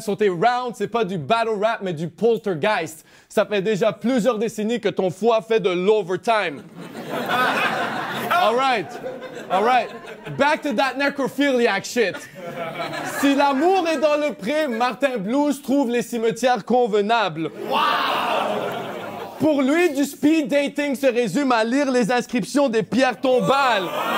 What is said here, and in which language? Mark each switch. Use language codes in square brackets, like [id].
[fr] Sur tes rounds, c'est pas du battle rap, mais du poltergeist. Ça fait déjà plusieurs décennies que ton foie fait de l'overtime. [en] All right. All right. Back to that necrophiliac shit. [fr] Si l'amour est dans le pré, Martin Blues trouve les cimetières convenables. Wow! Pour lui, du speed dating se résume à lire les inscriptions des pierres tombales.